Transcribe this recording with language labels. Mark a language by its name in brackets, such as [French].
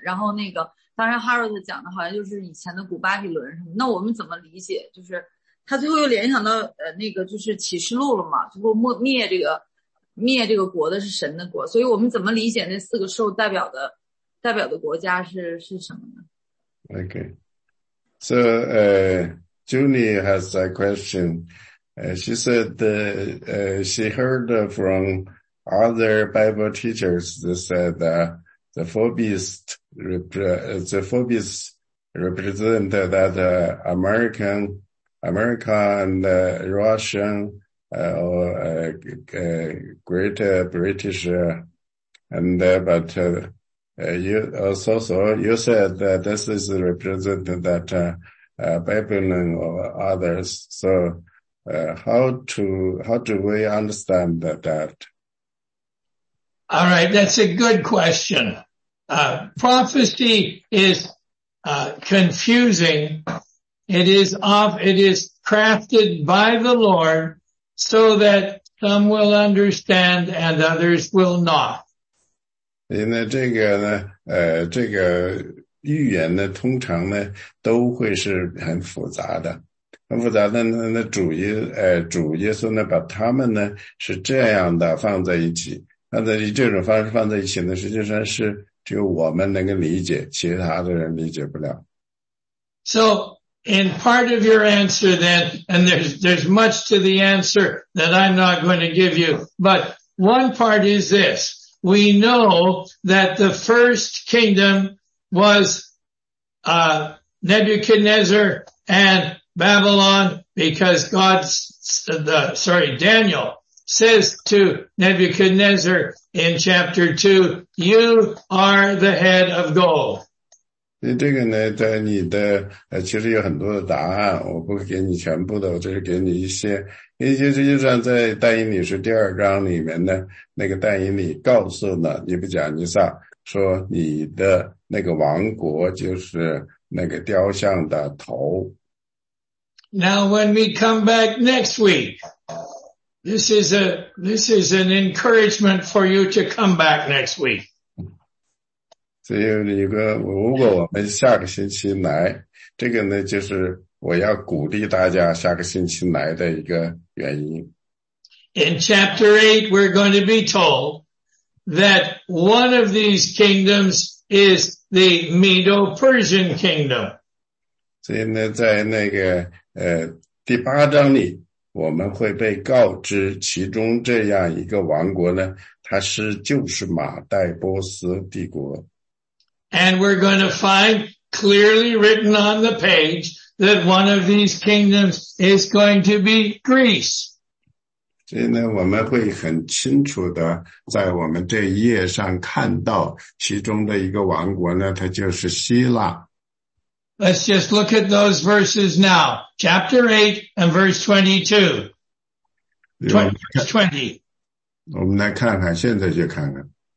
[Chinese] 然后那个当然 Harold 讲的好像就是以前的古巴比伦什么。那我们怎么理解？就是他最后又联想到那个就是启示录了嘛，最后灭这个国的是神的国，所以我们怎么理解那四个兽代表的国家是什么呢 [English] ？OK。 So, Julie has a question. She said that, she heard from other Bible teachers that said that the four beasts represent that America and Russian or Great British, and but. You said that this is represented that Babylon or others. So, how do we understand that? All right, that's a good question. Prophecy is confusing. It is crafted by the Lord so that some will understand and others will not. [Chinese] 因为这个呢，这个预言呢，通常呢都会是很复杂的，很复杂的呢。那主耶稣呢，把他们呢是这样的放在一起，放在以这种方式放在一起呢，实际上是只有我们能够理解，其他的人理解不了。 [English] So in part of your answer, then, and there's much to the answer that I'm not going to give you, but one part is this. We know that the first kingdom was, Nebuchadnezzar and Babylon because Daniel says to Nebuchadnezzar in chapter 2, you are the head of gold. [Chinese] 这个呢在你的其实有很多的答案，我不给你全部的，我只是给你一些。因为实际上在但以理书第二章里面呢，那个但以理告诉了尼布甲尼撒说你的那个王国就是那个雕像的头。 [English] Now when we come back next week, this is an encouragement for you to come back next week. [Chinese] 所以你如果我们下个星期来，这个呢就是我要鼓励大家下个星期来的一个原因。 [English] In chapter 8, we're going to be told that one of these kingdoms is the Medo-Persian kingdom. [Chinese] 所以呢在那个第八章里我们会被告知其中这样一个王国呢就是马代波斯帝国。 [English] And we're going to find clearly written on the page that one of these kingdoms is going to be Greece. [Chinese] 所以呢我们会很清楚的在我们这一页上看到其中的一个王国呢它就是希腊。 [English] Let's just look at those verses now. Chapter 8 and verse 22. Verse 20. [Chinese] 我们来看看现在就看看。